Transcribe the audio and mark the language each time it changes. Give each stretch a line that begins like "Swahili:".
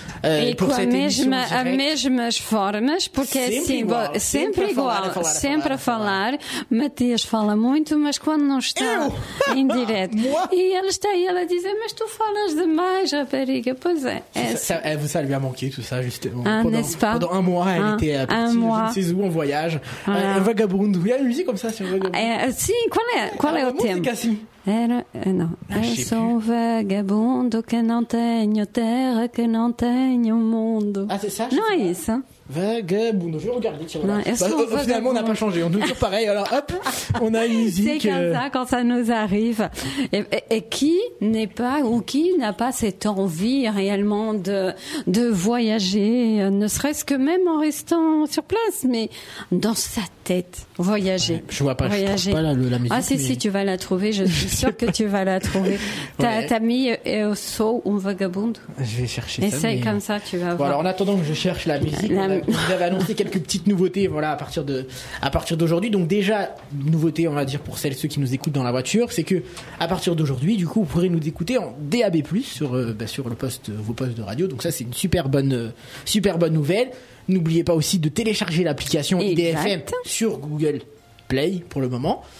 Portuguese: Sempre igual, sempre a falar. Matias fala muito, mas quando não está em direto. E ele está aí, ela diz: mas tu falas demais, rapariga. Pois é.
French: Ça lui a manqué, tout ça, justement. Pendant un mois, elle était petite, je ne sais où, en voyage. Un vagabond. Il y a une musique comme ça sur vagabond. Quel est le thème?
Portuguese: Vagabundo que não tenho terra, que não tenho mundo.
French: Ah, c'est ça? Non, c'est ça. Vagabundo, je vais regarder. Finalement, on n'a pas changé, on est toujours pareil. Alors, hop, on a une musique. C'est comme ça quand ça nous arrive. Et qui n'est pas ou qui n'a pas cette envie réellement de voyager, ne serait-ce que même en restant sur place, mais dans sa tête, voyager. Ouais, je vois pas, voyager. Je trouve pas la musique. Ah, si, mais... si, tu vas la trouver, je suis sûre que tu vas la trouver. T'as mis Eu sou vagabundo. Je vais chercher. Essaye mais... comme ça, tu vas voir. Bon, alors, en attendant que je cherche la musique. Vous avez annoncé quelques petites nouveautés, voilà, à partir d'aujourd'hui. Donc déjà, nouveauté, on va dire, pour celles et ceux qui nous écoutent dans la voiture, c'est que à partir d'aujourd'hui, du coup, vous pourrez nous écouter en DAB+ sur le poste, vos postes de radio. Donc ça, c'est une super bonne nouvelle. N'oubliez pas aussi de télécharger l'application IDFM sur Google Play pour le moment.